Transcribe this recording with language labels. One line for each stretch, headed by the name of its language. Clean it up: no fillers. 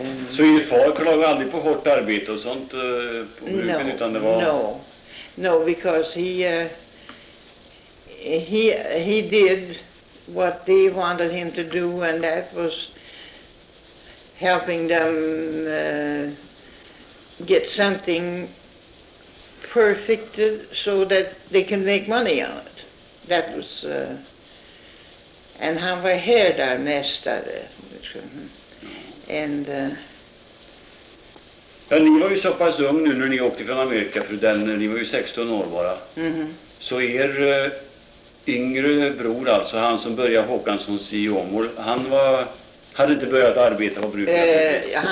Swedish: Så er far klagade aldrig på hårt arbete och sånt på bruken,
English: no,
Swedish: utan det var...
English: No, no, because he did what they wanted him to do, and that was helping them get something perfected so that they can make money on it. That was... And
Swedish: han var här där mästare.
English: And...
Swedish: Ja, ni var ju så pass ung nu när ni åkte från Amerika, för den, ni var ju 16 år bara. Mm-hmm. Så er yngre bror, alltså han som började Håkanssons i Åmål, han var, hade inte börjat arbeta på bruket?